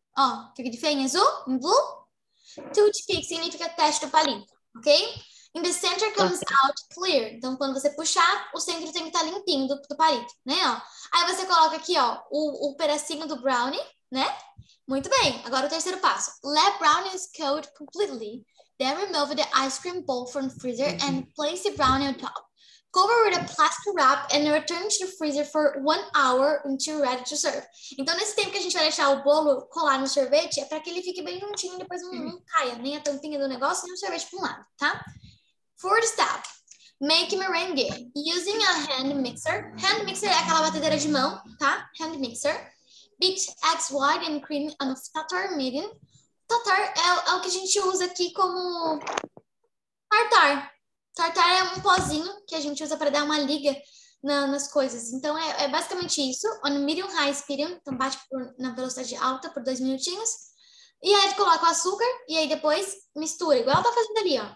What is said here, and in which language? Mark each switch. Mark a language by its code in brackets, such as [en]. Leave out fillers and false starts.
[pt] Ó, fica de feio em azul, em blue. Toothpick significa teste do palito, ok? [en] In the center comes out clear. [pt] Então, quando você puxar, o centro tem que estar limpinho do palito, né? Ó. Aí você coloca aqui, ó, o pedacinho do brownie, né? Muito bem. Agora, o terceiro passo. [en] Let brownies cook completely. Then remove the ice cream bowl from the freezer and place the brownie on top. Cover with a plastic wrap and return to the freezer for 1 hour until ready to serve. [pt] Então, nesse tempo que a gente vai deixar o bolo colar no sorvete, é para que ele fique bem juntinho e depois não caia nem a tampinha do negócio, nem o sorvete para um lado, tá? [en] Fourth step, make merengue using a hand mixer. [pt] Hand mixer é aquela batedeira de mão, tá? [en] Hand mixer. Beat eggs white and cream on a tartar medium. [pt] Tartar é o que a gente usa aqui como tartar. Tartar é um pozinho que a gente usa para dar uma liga nas coisas. Então é basicamente isso. [en] On medium high speed, [pt] então bate na velocidade alta por 2 minutinhos. E aí tu coloca o açúcar e aí depois mistura, igual ela tá fazendo ali, ó.